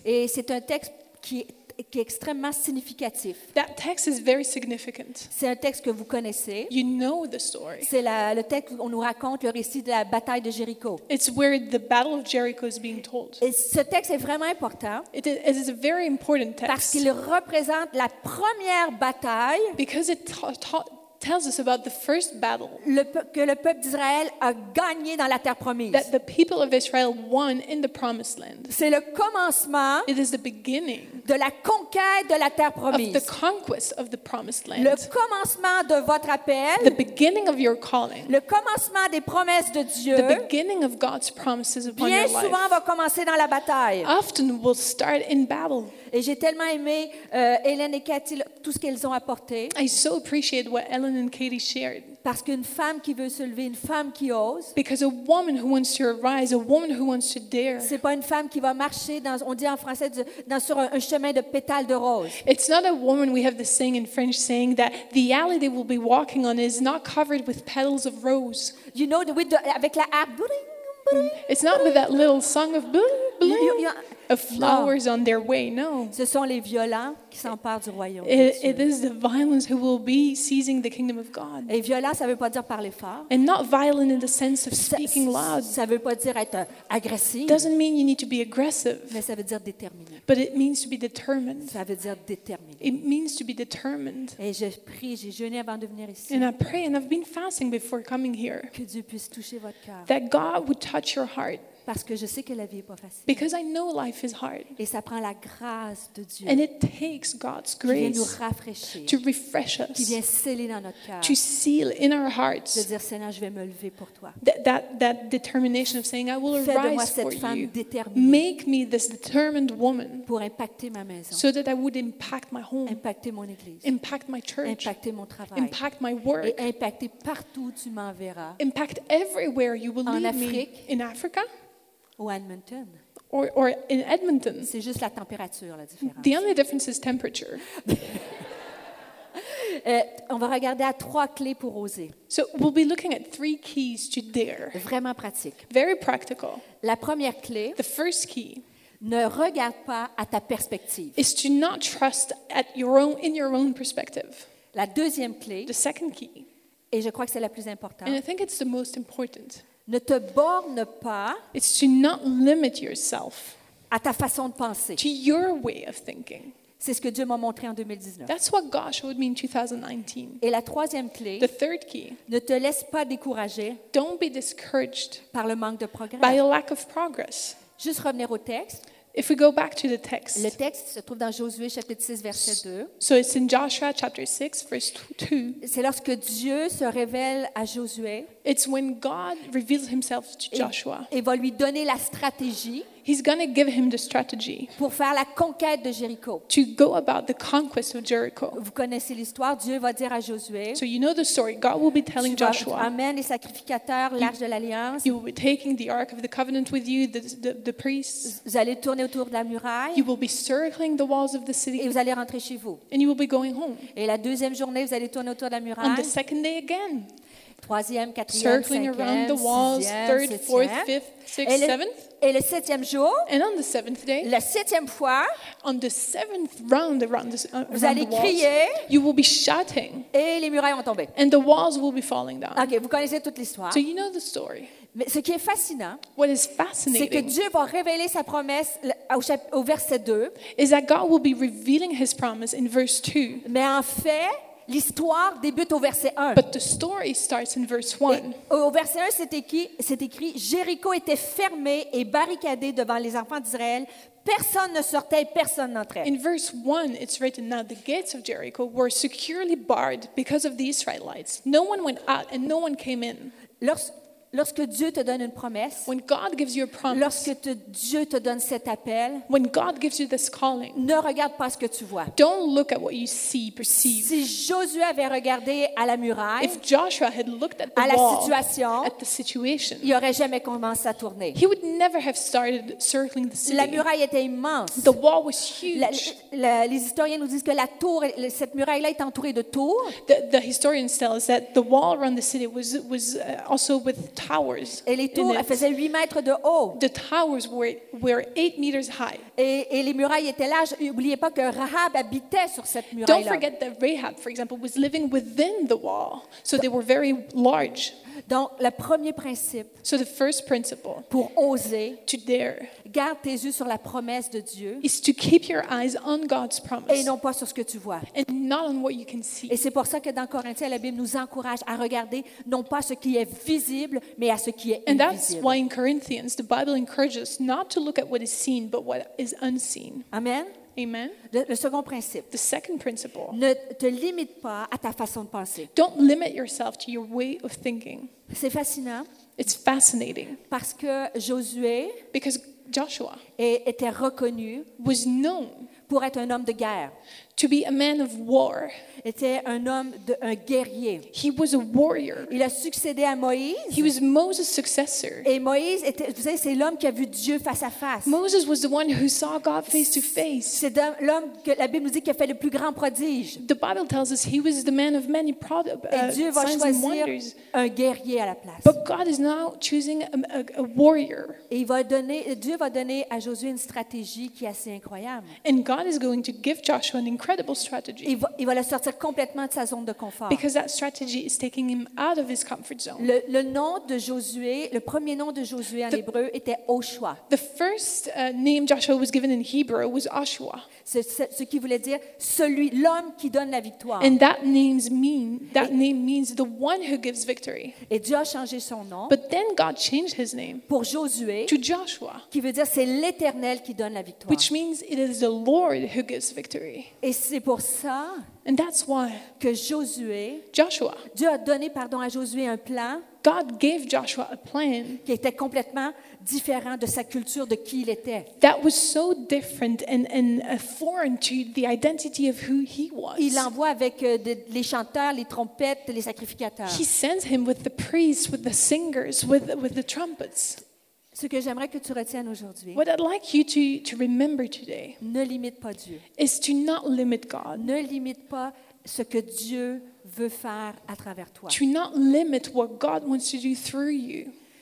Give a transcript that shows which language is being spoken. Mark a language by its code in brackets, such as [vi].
[fr] Et c'est un texte qui est extrêmement significatif. [en] That text is very significant. [fr] C'est un texte que vous connaissez. [en] You know the story. [fr] C'est le texte où on nous raconte le récit de la bataille de Jéricho. [en] It's where the battle of Jericho is being told. [fr] Et ce texte est vraiment important. [en] It is a very important text. [fr] Parce qu'il représente la première bataille. [en] Because it tells us about the first battle. [fr] Que le peuple d'Israël a gagné dans la terre promise. [en] That the people of Israel won in the promised land. [fr] C'est le commencement. [en] It is the beginning. [fr] De la conquête de la terre promise. [en] Of the conquest of the promised land. [fr] Le commencement de votre appel. [en] The beginning of your calling. [fr] Le commencement des promesses de Dieu. [en] The beginning of God's promises upon your life. [fr] Bien souvent va commencer dans la bataille. [en] Often will start in battle. [fr] Et j'ai tellement aimé Hélène et Cathy, tout ce qu'elles ont apporté. [en] I so appreciate what Ellen and Katie shared. [fr] Parce qu'une femme qui veut se lever, une femme qui ose. [en] Because a woman who wants to arise, a woman who wants to dare. [fr] C'est pas une femme qui va marcher dans, on dit en français, sur un chemin de pétales de rose. [en] It's not a woman. We have the saying in French saying that the alley they will be walking on is not covered with petals of rose. You know, [fr] avec la harpe, bling, bling, bling. [en] It's not with that little song of bling, bling. Of flowers on their way, no. [fr] Ce sont les violents qui s'emparent du royaume. [en] It is the violence who will be seizing the kingdom of God. [fr] Et violent, ça veut pas dire parler fort. [en] And not violent in the sense of speaking loud. [fr] Ça veut pas dire être agressif. [en] Doesn't mean you need to be aggressive. [fr] Mais ça veut dire déterminé. [en] But it means to be determined. [fr] Ça veut dire déterminé. [en] It means to be determined. [fr] Et je prie, j'ai jeûné avant de venir ici. [en] And I pray, and I've been fasting before coming here. [fr] Que Dieu puisse toucher votre cœur. [en] That God would touch your heart. [fr] Parce que je sais que la vie est pas facile. [en] Because I know life is hard. [fr] Et ça prend la grâce de Dieu. [en] And it takes God's grace. [fr] Qui vient nous rafraîchir. [en] To refresh us. [fr] Qui vient sceller dans notre cœur. [en] To seal in our hearts. [fr] De dire Seigneur, je vais me lever pour toi. [en] That determination of saying I will arise for you. [fr] Fais de moi cette femme déterminée. [en] Make me this determined woman. [fr] Pour impacter ma maison. [en] So that I would impact my home. [fr] Impacter mon église. [en] Impact my church. [fr] Impacter mon travail. [en] Impact my work. [fr] Et impacter partout où tu m'enverras. [en] Impact everywhere you will lead me. [fr] En Afrique. [en] In Africa. [fr] Ou Edmonton. [en] Or in Edmonton. [fr] C'est juste la température, la différence. [en] The only difference is temperature. [fr] On va regarder à trois clés pour oser. [en] So we'll be looking at three keys to dare. [fr] Vraiment pratique. [en] Very practical. [fr] La première clé. [en] The first key. [fr] Ne regarde pas à ta perspective. [en] Is to not trust at your own perspective. [fr] La deuxième clé. [en] The second key. [fr] Et je crois que c'est la plus importante. [en] And I think it's the most important. [fr] Ne te borne pas. [en] It's to not limit yourself. [fr] À ta façon de penser. [en] To your way of thinking. [fr] C'est ce que Dieu m'a montré en 2019. [en] That's what God showed me in 2019. [fr] Et la troisième clé. [en] The third key. [fr] Ne te laisse pas décourager. [en] Don't be discouraged. [fr] Par le manque de progrès. [en] By a lack of progress. [fr] Juste revenir au texte. [en] If we go back to the text. [fr] Le texte se trouve dans Josué chapitre 6 verset 2. [en] So it's in Joshua chapter 6 verse 2. [fr] C'est lorsque Dieu se révèle à Josué. [en] It's when God reveals himself to Joshua. [fr] Et va lui donner la stratégie. [en] He's going to give him the strategy. [fr] Pour faire la conquête de Jéricho. [en] To go about the conquest of Jericho. [fr] Vous connaissez l'histoire, Dieu va dire à Josué. [en] So you know the story. God will be telling Joshua. [fr] Amène les sacrificateurs, l'arche de l'alliance. [en] You will be taking the ark of the covenant with you, the priests. [fr] Vous allez tourner autour de la muraille. [en] You will be circling the walls of the city. [fr] Et vous allez rentrer chez vous. [en] And you will be going home. [fr] Et la deuxième journée, vous allez tourner autour de la muraille. [en] On the second day again. [fr] Troisième, quatrième, [en] circling [fr] cinquième, [en] around the walls, [fr] sixième, [en] third, [fr] septième. [en] Fourth, fifth, sixth, [fr] et le, [en] seventh. [fr] Et le septième jour, [en] and on the seventh day, [fr] la septième fois, [en] on the seventh round around the walls, [fr] vous allez crier, [en] you will be shouting, [fr] et les murailles vont tomber. [en] And the walls will be falling down. Okay, [fr] vous connaissez toute l'histoire. [en] So you know the story. [fr] Mais ce qui est fascinant, [en] what is fascinating, [fr] c'est que Dieu va révéler sa promesse au verset 2, [en] is that God will be revealing his promise in verse 2. [fr] Mais en fait, l'histoire débute au verset 1. [en] But the story starts in verse 1. [fr] Et au verset 1, c'est écrit « Jéricho était fermé et barricadé devant les enfants d'Israël. Personne ne sortait et personne n'entrait. » [en] In verse 1, it's written that the gates of Jericho were securely barred because of the Israelites. No one went out and no one came in. [fr] Lorsque Lorsque Dieu te donne une promesse, [en] when God gives you a promise, [fr] lorsque Dieu te donne cet appel, [en] when God gives you this calling, [fr] ne regarde pas ce que tu vois. [en] Don't look at what you see, perceive. [fr] Si Josué avait regardé à la muraille, [en] if Joshua had looked at the [fr] à la [en] wall, situation, at the situation, [fr] il n'aurait jamais commencé à tourner. [en] He would never have started circling the city. [fr] La muraille était immense. [en] The wall was huge. [fr] Les historiens nous disent que la tour, cette muraille-là est entourée de tours. [en] The historians tell us that the wall around the city was also with towers. [fr] Et les tours faisaient 8 mètres de haut. [en] The towers were 8 meters high. [fr] Et les murailles étaient là. N'oubliez pas que Rahab habitait sur cette muraille-là. [en] Don't forget that Rahab, for example, was living within the wall, so they were very large. [fr] Donc, le premier principe, [en] so the first principle, [fr] pour oser, [en] to dare, [fr] garde tes yeux sur la promesse de Dieu, [en] is to keep your eyes on God's promise, [fr] et non pas sur ce que tu vois, [en] and not on what you can see. [fr] Et c'est pour ça que dans Corinthiens, la Bible nous encourage à regarder non pas ce qui est visible, mais à ce qui est [en] and [fr] invisible. [en] And that's why in Corinthians, the Bible encourages us not to look at what is seen, but what is unseen. Amen. Amen. [fr] Le second principe. [en] The second principle. [fr] Ne te limite pas à ta façon de penser. [en] Don't limit yourself to your way of thinking. [fr] C'est fascinant. [en] It's fascinating. [fr] Parce que Josué, [en] because Joshua, [fr] était reconnu, [en] was known, [fr] pour être un homme de guerre, [en] to be a man of war, [fr] était un guerrier. [en] He was a warrior. [fr] Il a succédé à Moïse. [en] He was Moses' successor. [fr] Et Moïse était, vous savez, c'est l'homme qui a vu Dieu face à face. [en] Moses was the one who saw God face to face. [fr] C'est l'homme que la Bible nous dit qui a fait le plus grand prodige. [en] The Bible tells us he was the man of many signs and wonders. [fr] Un guerrier à la place. [en] But God is now choosing a warrior. [fr] Et Dieu va donner à Josué une stratégie qui est assez incroyable. [en] And God is going to give Joshua an incredible strategy. [fr] Il va le sortir complètement de sa zone de confort. [en] Because that strategy is taking him out of his comfort zone. [fr] Le nom de Josué, le premier nom de Josué en hébreu était Oshua. [en] The first name Joshua was given in Hebrew was Oshua. [fr] Ce qui voulait dire celui, l'homme qui donne la victoire. [en] And that name means the one who gives victory. [fr] Et Dieu a changé son nom. [en] But then God changed his name [fr] pour Josué, [en] to Joshua, [fr] qui veut dire c'est l'Éternel qui donne la victoire. [en] Which means it is the Lord who gives victory. [fr] Et c'est pour ça. [en] And that's why [fr] que Josué, [en] Joshua, [fr] Dieu a donné pardon à Josué un plan. [en] God gave Joshua a plan [fr] qui était complètement différent de sa culture, de qui il était. [en] That was so different and foreign to the identity of who he was. [fr] Il l'envoie avec les chanteurs, les trompettes, les sacrificateurs. [en] He sends him with the priests, with the singers, with the trumpets. [fr] Ce que j'aimerais que tu retiennes aujourd'hui. [en] What I'd like you to remember today. [fr] Ne limite pas Dieu. [en] Is to not limit God. [fr] Ne limite pas ce que Dieu veut faire à travers toi. [en] To not limit what God wants to do through you.